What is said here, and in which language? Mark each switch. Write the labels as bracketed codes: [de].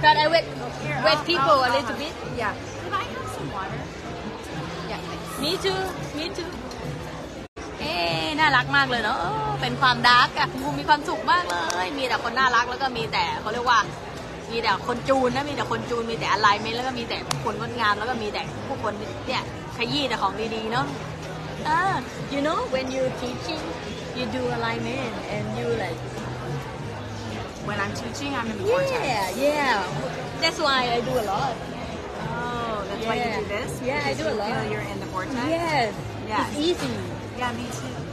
[en] but I with people a little bit yeah can I have some water yeah me too [th] น่ารักมากเลยเนาะเป็นความดาร์กอ่ะคุณภูมิมีความสุขมากเลยมีแต่คนน่ารักแล้วก็มีแต่เขาเรียกว่ามีแต่คนจูนนะมีแต่คนจูนมีแต่อะไลเมนต์แล้วก็มีแต่คนงดงามแล้วก็มีแต่ผู้คนเนี่ยขยี้แต่ของดีๆเนาะ [en] you know when you teaching you do alignment and you like when I'm teaching I'm important yeah that's why I do a lot oh that's yeah. why you do this yeah I do a lot you feel you're in the vortex yes it's easy yeah me too